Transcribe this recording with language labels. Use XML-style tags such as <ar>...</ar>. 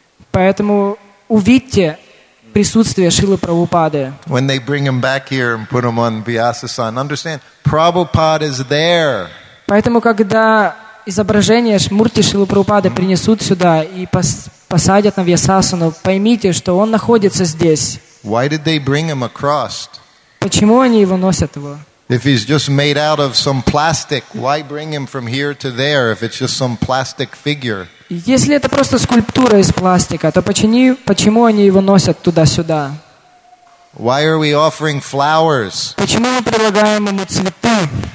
<ru>Поэтому увидьте присутствие Шрилы Прабхупады.</ru> <en>When they bring him back here and put him on Vyasasan, understand, Prabhupada is there.</en> <ru>Поэтому когда изображение Мурти Шрилы Прабхупады принесут сюда и посадят на Вьясасану, поймите, что он находится здесь.</ru> <en>Why did they bring him across?</en> <ru>Почему они его носят его?</ru> <en>If he's just made out of some plastic, why bring him from here to there if it's just some plastic figure?</en> <ru>Если это просто скульптура из пластика, то почему они его носят туда-сюда?</ru> <en>Why are we offering flowers?</en> <ru>Почему мы предлагаем ему цветы?</ru>